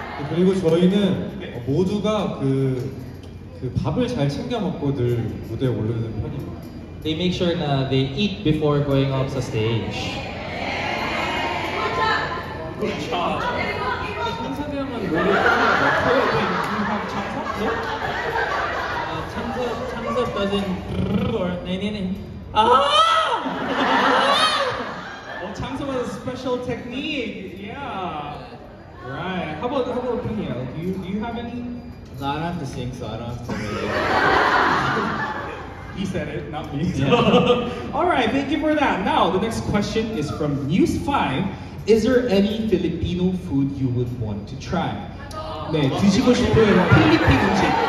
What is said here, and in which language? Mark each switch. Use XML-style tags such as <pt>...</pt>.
<ko>그리고 저희는 모두가 그 밥을 잘 챙겨 먹고 늘 무대에 오르는 편입니다.</ko> <en>They make sure that they eat before going up the stage. 장소 was a special technique. Yeah. Right. How about Peniel? Do you have any? No, I don't have to sing, so I don't have to. He said it, not me. Yeah. All right. Thank you for that. Now the next question is from News 5. Is there any Filipino food you would want to try?</en> <ko>네, 드시고 싶은 필리핀 음식.</ko>